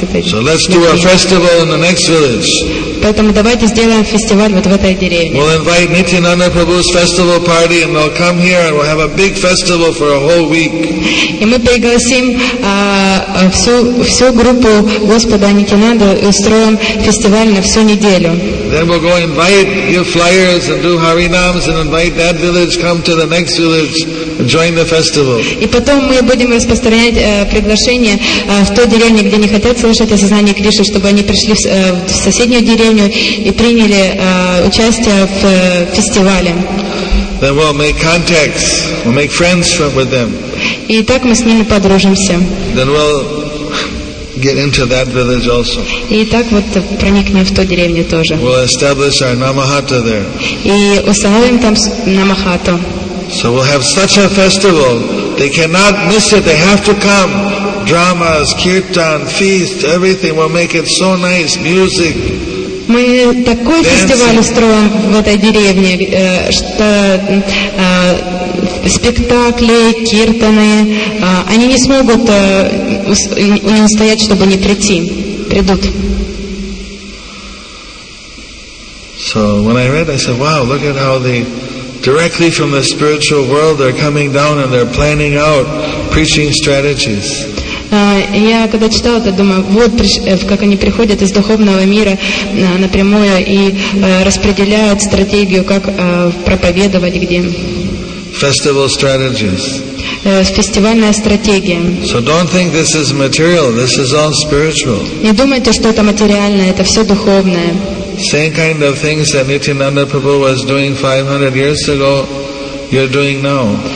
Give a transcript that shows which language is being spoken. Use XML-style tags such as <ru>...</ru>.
<en>So let's do a festival in the next village.</en> <ru>Поэтому давайте сделаем фестиваль вот в этой деревне.</ru> <en>We'll invite Nityananda Prabhu's festival party and they'll come here and we'll have a big festival for a whole week.</en> <ru>И мы пригласим всю группу Господа Нитянанды и устроим фестиваль на всю неделю.</ru> <en>Then we'll go invite your flyers and do Harinams and invite that village, come to the next village and join the festival.</en> <ru>И потом мы будем распространять приглашение в той деревне, где не хотят слышать о сознании Кришны, чтобы они пришли в соседнюю деревню и приняли участие в фестивале.</ru> <en>Then we'll make contacts, we'll make friends with them.</en> <ru>И так мы с ними подружимся.</ru> <en>Then we'll get into that village also.</en> <ru>И так вот проникнем в ту деревню тоже.</ru> <en>We'll establish our Namahata there.</en> <ru>И установим там Намахату.</ru> <en>So we'll have such a festival, they cannot miss it, they have to come. Dramas, kirtan, feast, everything, we'll make it so nice, music.</en> <ru>Мы такой</ru> <en>dancing.</en> <ru>Фестиваль устроим в этой деревне, что спектакли, киртаны, они не смогут не устоять, чтобы не прийти. Придут.</ru> <en>So when I read, I said, wow, look at how they directly from the spiritual world they're coming down and they're planning out preaching strategies.</en> <ru>Я когда читала это, думаю, вот как они приходят из духовного мира напрямую и распределяют стратегию, как проповедовать где.</ru> <en>Festival strategies.</en> <ru>Фестивальная стратегия.</ru> <en>So don't think this is material, this is all spiritual.</en> <ru>Не думайте, что это материальное, это все духовное.</ru> <en>Same kind of things that Nityananda Prabhu was doing 500 years ago, you're doing now.</en>